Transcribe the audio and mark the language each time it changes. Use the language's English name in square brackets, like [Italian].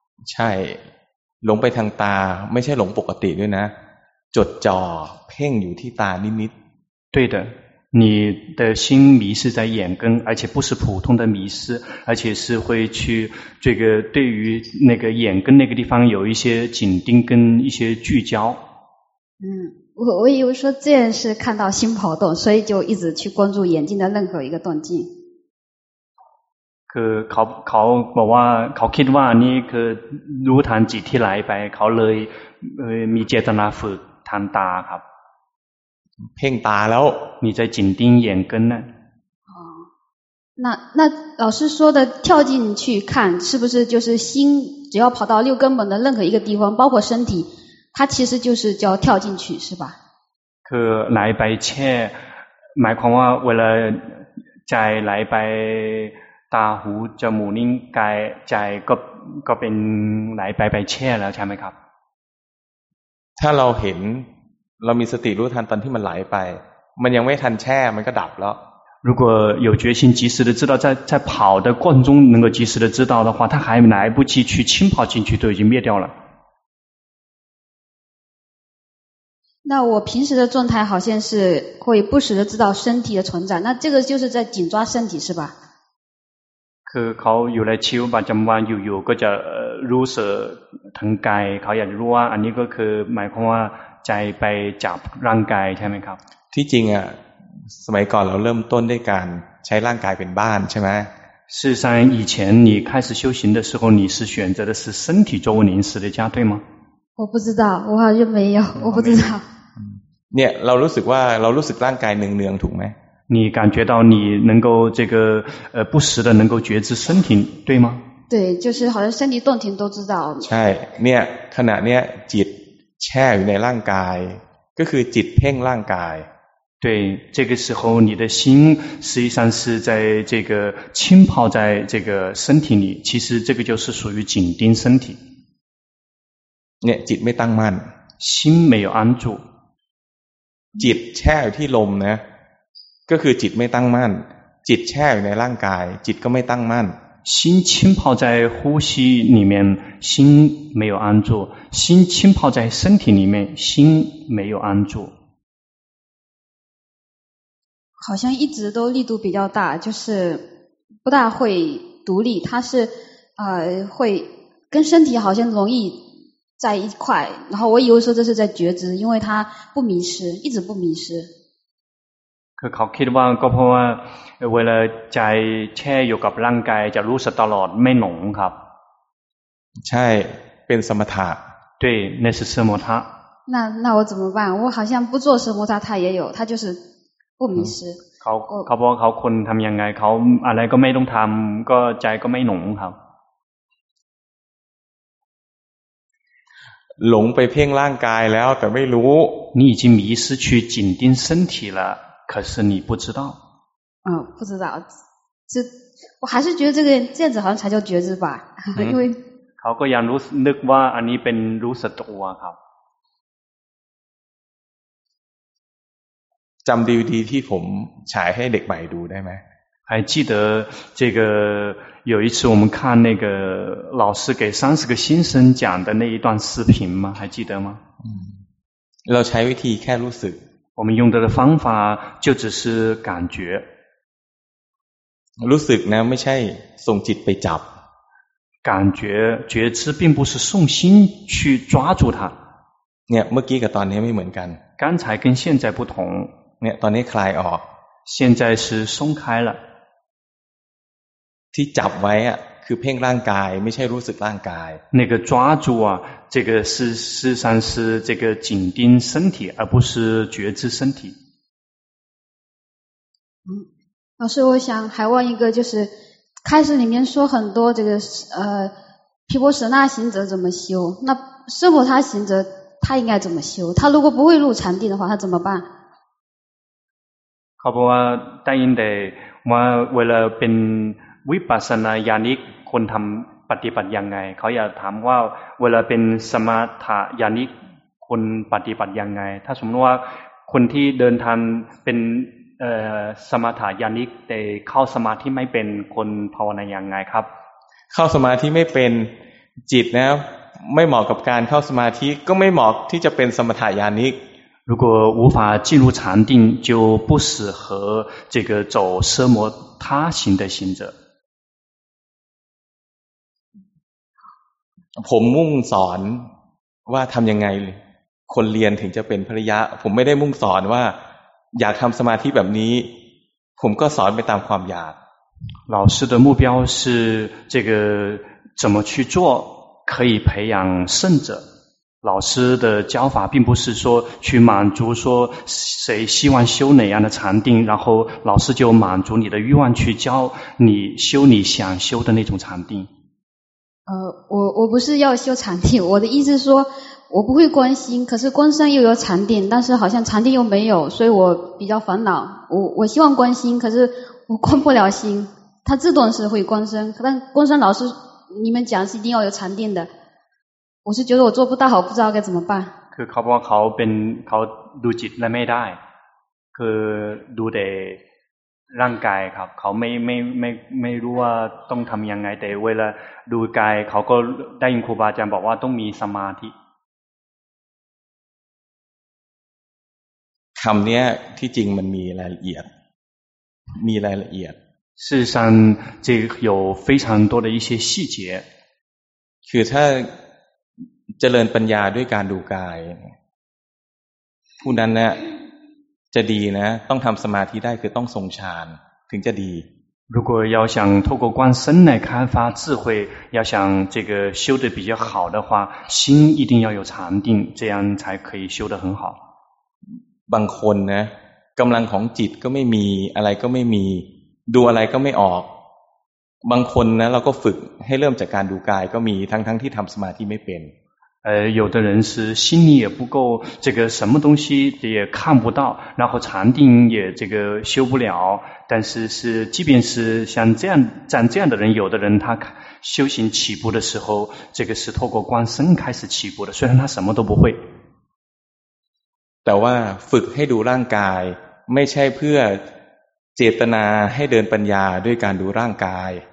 [Thai] ใช่หลงไปทางตาไม่ใช่หลงปกติด้วยนะจดจ่อเพ่งอยู่ที่ตานิด [Chinese] ๆ对的你的心迷失在眼根而且不是普通的迷失而且是会去这个对于那个眼根那个地方有一些紧盯跟一些聚焦嗯，我以为说这样是看到心跑动，所以就一直去关注眼睛的任何一个动静。 [Thai] คือเขาบอกว่าเขาคิดว่านี่คือรู้ทันจิตที่ไหลไปเขาเลยมีเจตนาฝึกทางตาครับ เพ่งตาแล้ว [Chinese] 你在紧盯眼根呢？哦，那老师说的跳进去看，是不是就是心只要跑到六根本的任何一个地方，包括身体？它其实就是叫跳进去，是吧？ [Thai] คือไหลไปแช่หมายความว่าเวลาใจไหลไปตาหูจมูกลิ้นกายใจก็เป็นไหลไปแช่แล้วใช่ไหมครับ ถ้าเราเห็นเรามีสติรู้ทันตอนที่มันไหลไปมันยังไม่ทันแช่มันก็ดับแล้ว [Chinese] 如果有决心及时的知道在跑的过程中能够及时的知道的话它还来不及去浸泡进去都已经灭掉了那我平时的状态好像是会不时的知道身体的存在，那这个就是在紧抓身体是吧？ [Thai] คือเขาอยู่ในชีวิตประจำวันอยู่ก็จะรู้สึกทางกายเขาอยากรู้ว่าอันนี้ก็คือหมายความว่าใจไปจับร่างกายใช่ไหมครับ ที่จริงอ่ะสมัยก่อนเราเริ่มต้นด้วยการใช้ร่างกายเป็นบ้านใช่ไหม [Chinese] 事实上以前你开始修行的时候你是选择的是身体作为临时的家对吗？我不知道我好像没有我不知道 [Thai] เนี่ยเรารู้สึกว่าเรารู้สึกร่างกายเนืองๆถูกไหม [Chinese] 你感觉到你能够这个不时的能够觉知身体对吗对就是好像身体动停都知道 [Thai] ใช่เนี่ยขณะเนี้ยจิตแช่อยู่ในร่างกายก็คือจิตเพ่งร่างกาย [Chinese] 对这个时候你的心实际上是在这个浸泡在这个身体里其实这个就是属于紧盯身体 [Thai] เนี่ยจิตไม่ตั้งมั่น [Chinese] 心没有安住 [Thai] จิตแช่อยู่ที่ลมนะก็คือจิตไม่ตั้งมั่นจิตแช่อยู่ในร่างกายจิตก็ไม่ตั้งมั่น [Chinese] 心浸泡在呼吸里面心没有安住心浸泡在身体里面心没有安住好像一直都力度比较大就是不大会独立它是会跟身体好像容易在一块然后我以为说这是在觉知因为他不迷失一直不迷失 [Thai] คือเขาคิดว่าก็เพราะว่าเวลาใจแช่อยู่กับร่างกายจะรู้สึกตลอดไม่หลงครับ ใช่เป็นสมถะ [Chinese] 对那是สมถะ 那我怎么办我好像不做สมถะ他也有他就是不迷失 [Thai] เขาบอกเขาคนทำยังไงเขาอะไรก็ไม่ต้องทำก็ใจก็ไม่หลงครับ หลงไปเพ่งร่างกายแล้วแต่ไม่รู้ [Chinese] 你已经迷失去紧盯身体了可是你不知道不知道就我还是觉得这样子好像才叫觉知吧因为 [Thai] เขาก็ยังรู้นึกว่าอันนี้เป็นรู้สึกตัวครับ จำดีๆที่ผมฉายให้เด็กใหม่ดูได้ไหม [Chinese] 还记得这个有一次我们看那个老师给30个新生讲的那一段视频吗还记得吗嗯 [Thai] เราใช้วิธีแค่รู้สึก [Chinese] 我们用的方法就只是感觉 [Thai] รู้สึกนะไม่ใช่ส่งจิตไปจับ [Chinese] 感觉觉知并不是送心去抓住它 [Thai] เนี่ยเมื่อกี้กับตอนนี้ไม่เหมือนกัน [Chinese] 刚才跟现在不同 [Thai] เนี่ยตอนนี้คลายออก [Chinese] 现在是松开了 [Thai] ที่จับไว้อ่ะคือเพ่งร่างกายไม่ใช่รู้สึกร่างกาย [Chinese] 那个抓住啊这个是事实上是这个紧盯身体而不是觉知身体老师我想还问一个就是开始里面说很多这个毗婆舍那行者怎么修那师父他行者他应该怎么修他如果不会入禅定的话他怎么办 [Thai] ครับว่าตั้งแต่ว่าเวลาเป็นวิปัสสนาญาณิกคนทำปฏิบัติยังไงเขาอยากถามว่าเวลาเป็นสมถะญาณิกคนปฏิบัติยังไงถ้าสมมติว่าคนที่เดินทางเป็นสมถะญาณิกแต่เข้าสมาธิไม่เป็นคนภาวนายังไงครับ เข้าสมาธิไม่เป็นจิตนะไม่เหมาะกับการเข้าสมาธิก็ไม่เหมาะที่จะเป็นสมถะญาณิก [Chinese] 如果无法进入禅定就不适合这个走奢摩他行的行者 [Thai] ผมมุ่งสอนว่าทำยังไงคนเรียนถึงจะเป็นภริยะผมไม่ได้มุ่งสอนว่าอยากทำสมาธิแบบนี้ผมก็สอนไปตามความอยาก [Chinese] 老师的目标是这个怎么去做可以培养圣者老师的教法并不是说去满足说谁希望修哪样的禅定然后老师就满足你的欲望去教你修你想修的那种禅定我不是要修禅定我的意思是说我不会观心可是观身又有禅定但是好像禅定又没有所以我比较烦恼我希望观心可是我观不了心它自动是会观身但观身老师你们讲是一定要有禅定的我是觉得我做不到好不知道该怎么办 [Thai] คือเขาบอกเขาเป็นเขาดูจิตและไม่ได้คือดูแต่ร่างกายครับเขาไม่รู้ว่าต้องทำยังไงแต่เวลาดูกายเขาก็ได้ยินครูบาอาจารย์บอกว่าต้องมีสมาธิ คำนี้ที่จริงมันมีรายละเอียดมีรายละเอียด [Chinese] 事实上这有非常多的一些细节 [Thai] คือถ้าเจริญปัญญาด้วยการดูกายผู้นั้นนะจะดีนะต้องทำสมาธิได้คือต้องทรงฌานถึงจะดี [Chinese] 如果要想透过观身来开发智慧要想这个修得比较好的话心一定要有禅定这样才可以修得很好 [Thai] บางคนนะกำลังของจิตก็ไม่มีอะไรก็ไม่มีดูอะไรก็ไม่ออกบางคนนะเราก็ฝึกให้เริ่มจากการดูกายก็มีทั้งที่ทำสมาธิไม่เป็น [Chinese] 有的人是心力也不够，这个什么东西也看不到，然后禅定也这个修不了。但是是，即便是像这样像这样的人，有的人他修行起步的时候，这个是透过观身开始起步的，虽然他什么都不会。 [Thai] แต่ว่าฝึกให้ดูร่างกายไม่ใช่เพื่อเจตนาให้เดินปัญญาด้วยการดูร่างกาย